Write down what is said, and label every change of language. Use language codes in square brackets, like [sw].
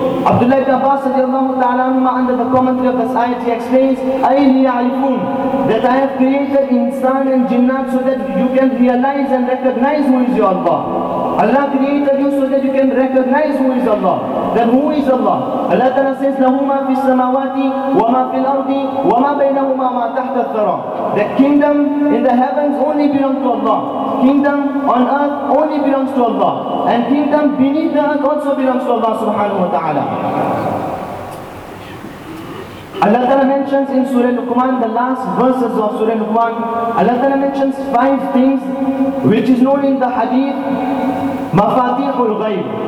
[en] Abdullah ibn Abbas radiallahu ta'ala under the commentary of this ayat, he explains, [ar] أَيْ لِيَعْرِفُونَ, [en] that I have created insan and jinnah so that you can realize and recognize who is your Allah. Allah created you so that you can recognize who is Allah. Then who is Allah? Allah Ta'ala says, [ar] لَهُ مَا فِي السَّمَوَاتِ وَمَا فِي الْأَرْضِ وَمَا بَيْنَهُمَا مَا تَحْتَ الثَّرَى. [en] The kingdom in the heavens only belongs to Allah. Kingdom on earth only belongs to Allah. And kingdom beneath the earth also belongs to Allah subhanahu wa ta'ala. Allah Ta'ala mentions in Surah Luqman, the last verses of Surah Luqman, Allah Ta'ala mentions five things which is known in the hadith, Mafatihul Ghayb.